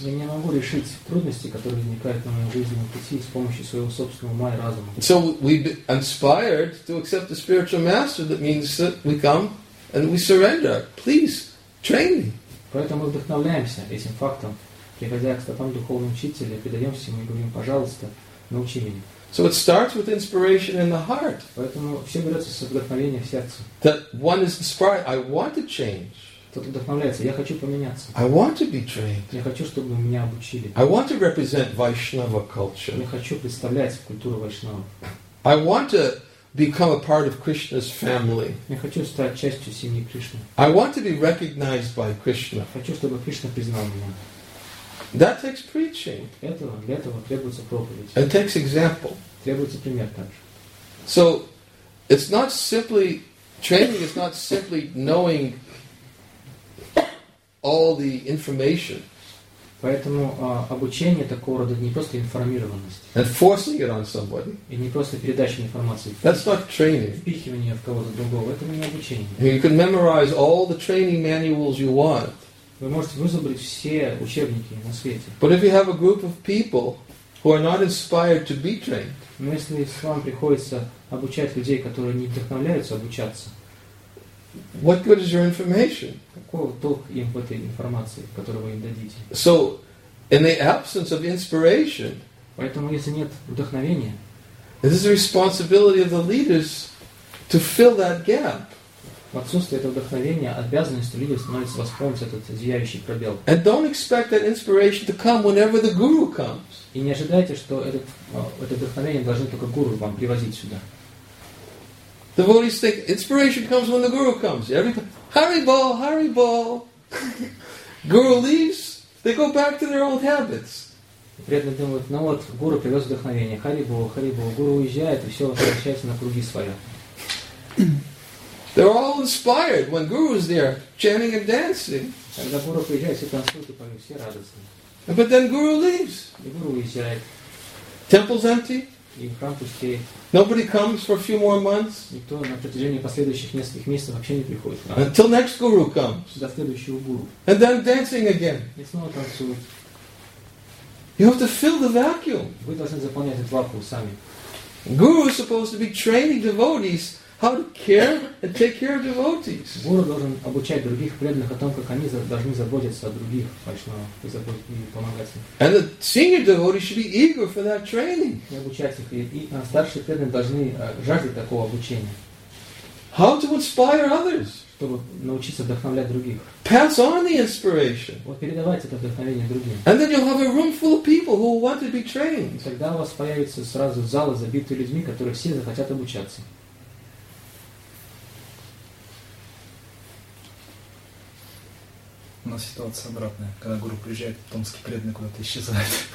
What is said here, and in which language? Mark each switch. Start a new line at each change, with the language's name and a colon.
Russian: Я не могу решить трудности, которые возникают на моем жизненном пути с помощью своего собственного ума и разума.
English: So we be inspired to accept the spiritual master. That means that we come and we surrender. Please train me.
Russian: Поэтому мы вдохновляемся этим фактом, приходя к стопам духовного учителя, предаемся ему и говорим: пожалуйста, научи меня.
English: So it starts with inspiration in the heart.
Russian: Поэтому все берется с вдохновения в сердце.
English: That one is inspired. I want to change.
Russian: Кто-то вдохновляется. Я хочу поменяться.
English: I want to be trained.
Russian: Я хочу, чтобы меня обучили.
English: I want to represent Vaishnava culture.
Russian: Я хочу представлять культуру Вайшнава.
English: I want to become a part of Krishna's family.
Russian: Я хочу стать частью семьи Кришны.
English: I want to be recognized by Krishna.
Russian: Я хочу, чтобы Кришна признал меня.
English: That takes preaching.
Russian: Для этого требуется проповедь.
English: It takes example.
Russian: Требуется пример также.
English: So, it's not simply training. It's not simply knowing all the information.
Russian: Поэтому обучение такого рода не просто информированность.
English: And forcing it on somebody.
Russian: И не просто передача информации.
English: That's not training.
Russian: Впихивание в кого-то другого. Это не обучение.
English: You can memorize all the training manuals you want.
Russian: Вы можете вызубрить все учебники на свете.
English: But if you have a group of people who are not inspired to be trained.
Russian: Но если вам приходится обучать людей, которые не вдохновляются обучаться.
English: What good is your information?
Russian: Какой толк им в этой информации, которую вы им дадите?
English: So, in the absence of inspiration,
Russian: поэтому если нет вдохновения,
English: this is the responsibility of the leaders to fill that gap.
Russian: В отсутствие этого вдохновения обязанность лидера становится восполнить этот зияющий пробел.
English: And don't expect that inspiration to come whenever the guru comes.
Russian: И не ожидайте, что это вдохновение должно только гуру вам привозить сюда.
English: Devotees think inspiration comes when the guru comes. Haribol, Haribol. Guru leaves, they go back to their old habits.
Russian: Преданные думают: ну вот, гуру привез вдохновение. Харибол, Харибол. Гуру уезжает, и все возвращается на круги своя.
English: They're all inspired when guru is there, chanting and dancing.
Russian: Когда гуру приезжает, все танцуют и поют, все радостны.
English: But then guru leaves.
Russian: И гуру уезжает.
English: Temple's empty.
Russian: И храм пустеет.
English: Nobody comes for a few more months.
Russian: Никто на протяжении последующих нескольких месяцев вообще не приходит.
English: Until next guru comes.
Russian: До следующего гуру.
English: And then dancing again.
Russian: И снова танцуют.
English: You have to fill the vacuum.
Russian: Вы должны заполнять этот вакуум сами.
English: Guru is supposed to be training devotees how to care and take care of devotees.
Russian: Гуру должен обучать других преданных о том, как они должны заботиться о других, и помогать им.
English: And the senior devotees should be eager for that training.
Russian: И обучать их, и старшие преданные должны жаждать такого обучения.
English: How to inspire others?
Russian: Чтобы научиться вдохновлять других.
English: Pass on the inspiration.
Russian: Вот передавать это вдохновение другим.
English: And then you'll have a room full of people who want to be trained.
Russian: И тогда у вас появится сразу залы, забитые людьми, которые все захотят обучаться. У нас ситуация обратная. Когда гуру приезжает, томский преданный куда-то исчезает.